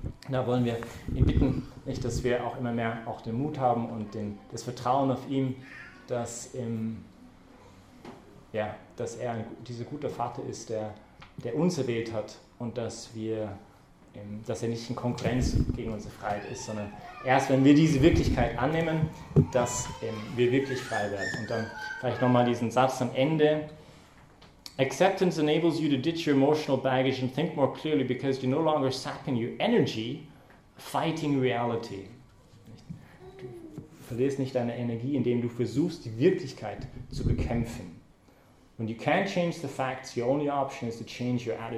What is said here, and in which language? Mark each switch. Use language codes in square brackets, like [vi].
[de] Da wollen wir ihn bitten, nicht, dass wir auch immer mehr auch den Mut haben und das Vertrauen auf ihn, dass er dieser gute Vater ist, der uns erwählt hat und dass er nicht in Konkurrenz gegen unsere Freiheit ist, sondern erst wenn wir diese Wirklichkeit annehmen, dass wir wirklich frei werden. Und dann vielleicht nochmal diesen Satz am Ende. [en] Acceptance enables you to ditch your emotional baggage and think more clearly because you're no longer sapping your energy fighting reality. [de] Du verlierst nicht deine Energie, indem du versuchst, die Wirklichkeit zu bekämpfen. [en] When you can't change the facts, your only option is to change your attitude. [de] Ja, also beten wir da füreinander.